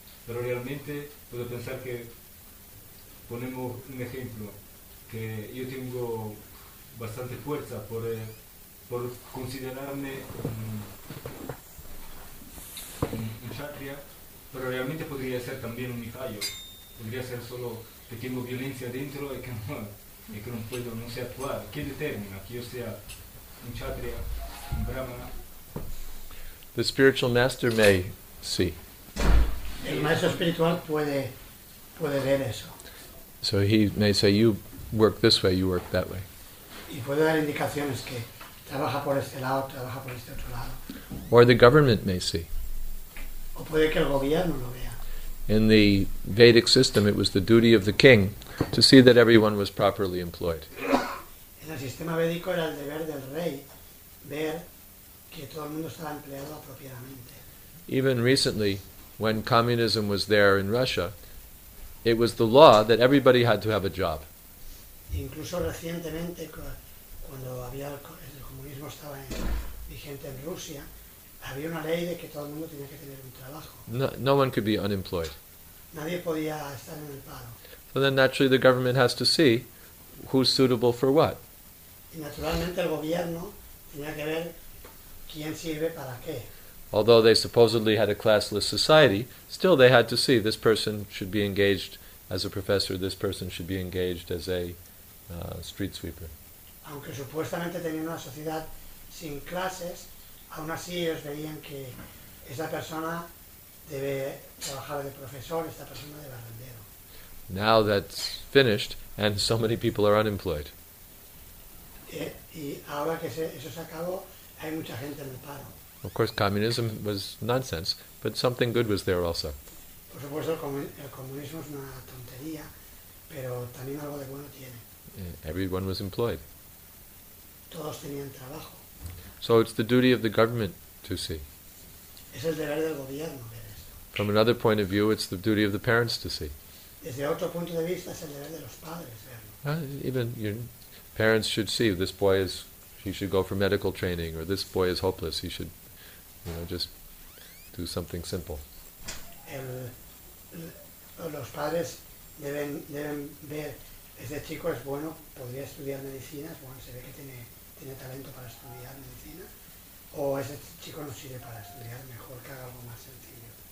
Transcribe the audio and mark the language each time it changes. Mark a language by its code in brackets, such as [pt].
[es] Pero realmente puedo pensar que, ponemos un ejemplo, que yo tengo bastante fuerza por considerarme un Kshatriya, pero realmente podría ser también un Mihayo. Podría ser solo que tengo violencia dentro y que no puedo, no sé actuar. ¿Qué determina que yo sea un Kshatriya? [en] The spiritual master may see. [es] El maestro espiritual puede ver eso. [en] So he may say, you work this way, you work that way. [es] Y puede dar indicaciones que trabaja por este lado, trabaja por este otro lado. [en] Or the government may see. [es] O puede que el gobierno lo vea. [en] In the Vedic system, it was the duty of the king to see that everyone was properly employed. [es] En el sistema védico era el deber del rey ver que todo el mundo estaba empleado apropiadamente. [en] Even recently, when communism was there in Russia, it was the law that everybody had to have a job. [es] Incluso recientemente, cuando había el comunismo estaba vigente en Rusia, había una ley de que todo el mundo tenía que tener un trabajo. [en] No one could be unemployed. [es] Nadie podía estar en el paro. [en] So then naturally the government has to see who's suitable for what. [es] Y naturalmente el gobierno tenía que ver quién sirve para qué. [en] Although they supposedly had a classless society, still they had to see this person should be engaged as a professor, this person should be engaged as a street sweeper. [es] Aunque supuestamente tenían una sociedad sin clases, aún así ellos veían que esa persona debe trabajar de profesor, esta persona de barrendero. [en] Now that's finished and so many people are unemployed. [es] Y ahora que eso se acabó, hay mucha gente en el paro. [en] Of course, communism was nonsense, but something good was there also. [es] Por supuesto, el comunismo es una tontería, pero también algo de bueno tiene. [en] Everyone was employed. [es] Todos tenían trabajo. [en] So it's the duty of the government to see. [es] Es el deber del gobierno ver eso. [en] From another point of view, it's the duty of the parents to see. [es] Desde otro punto de vista, es el deber de los padres verlo. [en] Parents should see this boy is, he should go for medical training, or this boy is hopeless, he should, you know, just do something simple. [es] Los padres deben ver, este chico es bueno, podría estudiar medicina, bueno, se ve que tiene talento para estudiar medicina, o ese chico no sirve para estudiar, mejor que haga algo más sencillo.